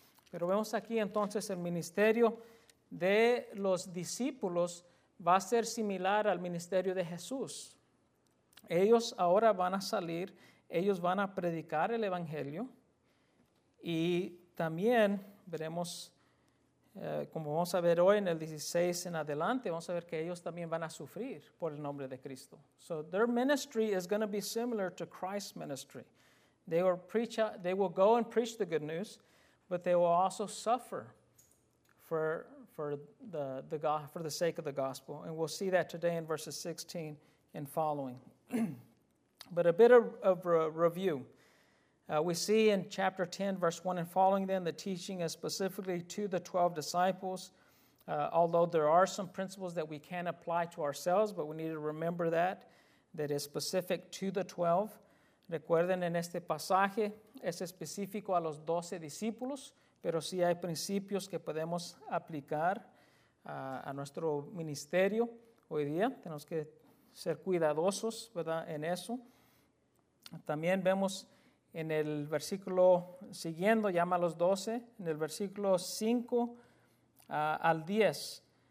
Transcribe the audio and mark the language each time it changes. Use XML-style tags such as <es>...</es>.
<es>Pero vemos aquí entonces el ministerio de los discípulos va a ser similar al ministerio de Jesús. Ellos ahora van a salir, ellos van a predicar el evangelio y también veremos, como vamos a ver hoy en el 16 en adelante, vamos a ver que ellos también van a sufrir por el nombre de Cristo.</es> <en>So their ministry is going to be similar to Christ's ministry. They will go and preach the good news, but they will also suffer for the sake of the gospel. And we'll see that today in verses 16 and following. But a bit of review. We see in chapter 10, verse 1 and following then, the teaching is specifically to the 12 disciples. Although there are some principles that we can apply to ourselves, but we need to remember that is specific to the 12.</en> <es>Recuerden en este pasaje, es específico a los 12 discípulos, pero sí hay principios que podemos aplicar a nuestro ministerio hoy día. Tenemos que ser cuidadosos, ¿verdad?, en eso. También vemos en el versículo siguiendo, llama a los 12, en el versículo 5 al 10.</es>